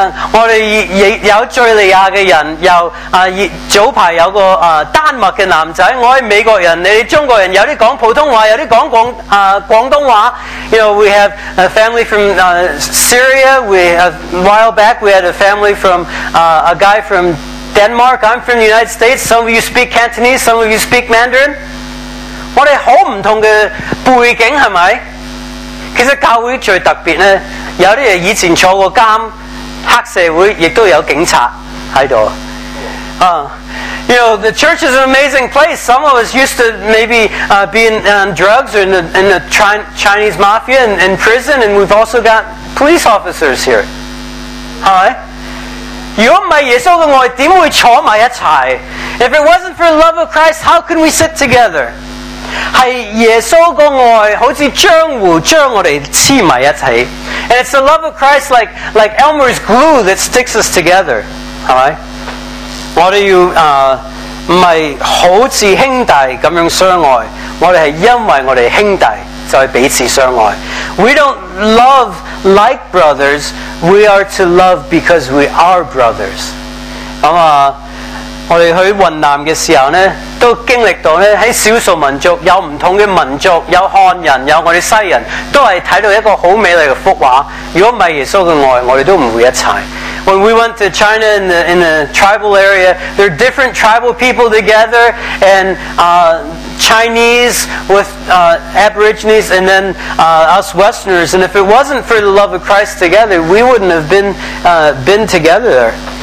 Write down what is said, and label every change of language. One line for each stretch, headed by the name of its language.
Chinese: 我们有叙利亚的人，有早排有个丹麦的男仔，我是美国人。你中国人有些讲普通话，有些讲广东话。
English: You know, we have a family from Syria. We have, a while back, we had a family from a guy from Denmark. I'm from the United States. Some of you speak Cantonese, some of you speak Mandarin.
Chinese: 我们很不同的背景，是不是？其实教会最特别呢，有些人以前坐过监，黑社会也都有警察在这里。
English: You know, the church is an amazing place. Some of us used to maybe be on drugs or in the Chinese mafia in prison, and we've also got police officers here. Alright? If it wasn't for the love of Christ, how could we sit together?
Chinese: 是耶稣的爱好像浆糊将我们黏在一起。
English: And it's the love of Christ like Elmer's glue that sticks us together. Alright?
Chinese: 我们要不是好像兄弟这样相爱，我们是因为我们兄弟就彼此相爱。
English: We don't love like brothers, we are to love because we are brothers.
Chinese: 我们去云南的时候呢，都经历到呢，在少数民族有不同的民族，有汉人，有我们西人，都是看到一个很美丽的福华。如果不是耶稣的爱，我们都不会一起。
English: When we went to China in the tribal area, there are different tribal people together, and Chinese with Aborigines, and then us Westerners. And if it wasn't for the love of Christ together, we wouldn't have been together there.